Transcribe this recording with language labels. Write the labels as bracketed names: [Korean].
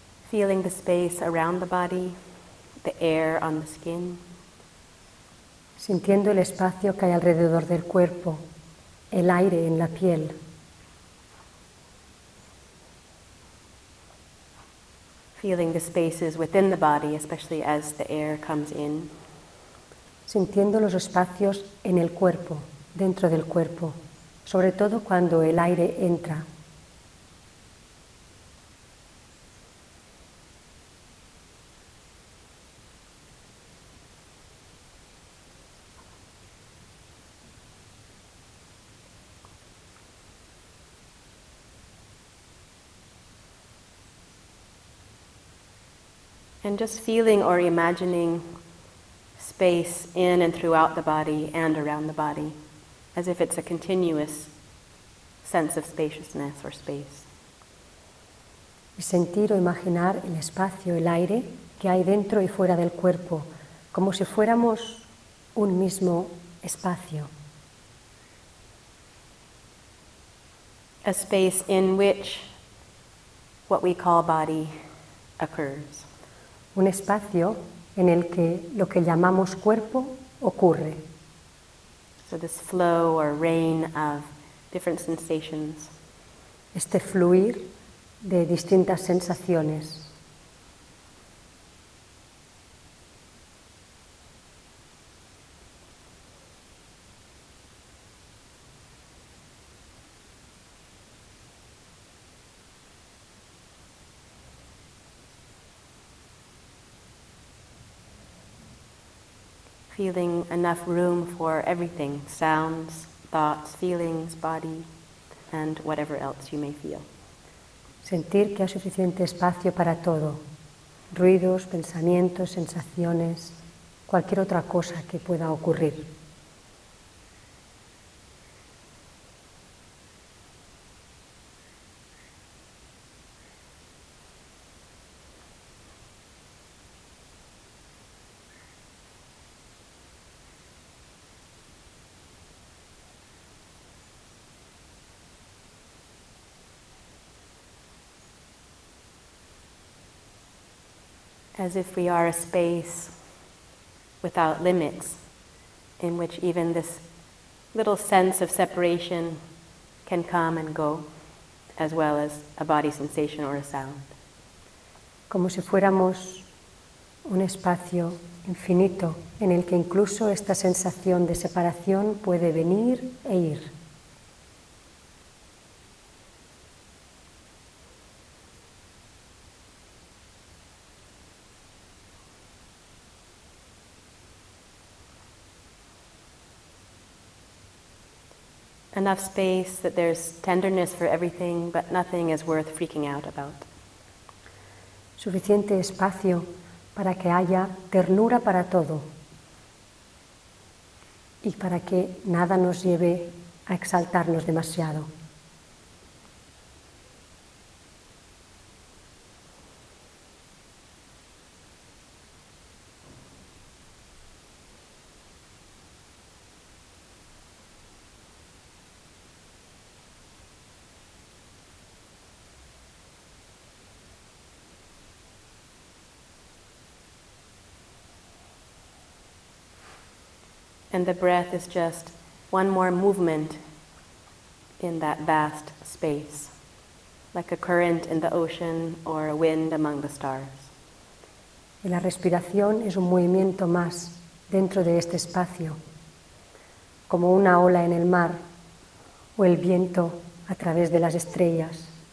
[English] Feeling the space around the body, the air on the skin. [Spanish] Sintiendo el espacio que hay alrededor del cuerpo, el aire en la piel. [English] Feeling the spaces within the body, especially as the air comes in. [Spanish] Sintiendo los espacios en el cuerpo, dentro del cuerpo, sobre todo cuando el aire entra. [English] And just feeling or imagining space in and throughout the body and around the body, as if it's a continuous sense of spaciousness or space. [Spanish] Y sentir o imaginar el espacio, el aire que hay dentro y fuera del cuerpo, como si fuéramos un mismo espacio. [English] A space in which what we call body occurs. [Spanish] Un espacio en el que lo que llamamos cuerpo ocurre. [English] So this flow or rain of different sensations. [Spanish] Este fluir de distintas sensaciones. [English] Feeling enough room for everything, sounds, thoughts, feelings, body, and whatever else you may feel. [Spanish] Sentir que hay suficiente espacio para todo, ruidos, pensamientos, sensaciones, cualquier otra cosa que pueda ocurrir. [English] As if we are a space without limits, in which even this little sense of separation can come and go, as well as a body sensation or a sound. [Spanish] Como si fuéramos un espacio infinito en el que incluso esta sensación de separación puede venir e ir. [English] Enough space that there's tenderness for everything, but nothing is worth freaking out about. [Spanish] Suficiente espacio para que haya ternura para todo y para que nada nos lleve a exaltarnos demasiado. [English] And the breath is just one more movement in that vast space, like a current in the ocean or a wind among the stars. [Spanish] Y la respiración es un movimiento más dentro de este espacio, como una ola en el mar o el viento a través de las estrellas.